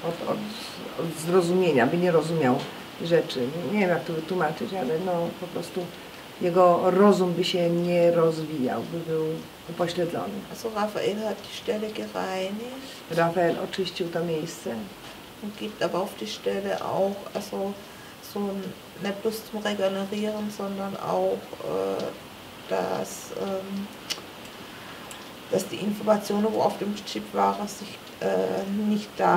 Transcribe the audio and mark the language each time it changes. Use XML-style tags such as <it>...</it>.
<pl>Od zrozumienia, by nie rozumiał rzeczy. Nie wiem, jak to wytłumaczyć, ale no po prostu jego rozum by się nie rozwijał, by był upośledzony.</pl> <de>Also Rafael hat die Stelle gereinigt.</de> <pl>Rafael oczyścił to miejsce.</pl> <de>Und gibt aber auf die Stelle auch, also so nicht bloß zum Regenerieren, sondern auch, dass die Informationen, wo auf dem Chip waren, sich nicht da</de>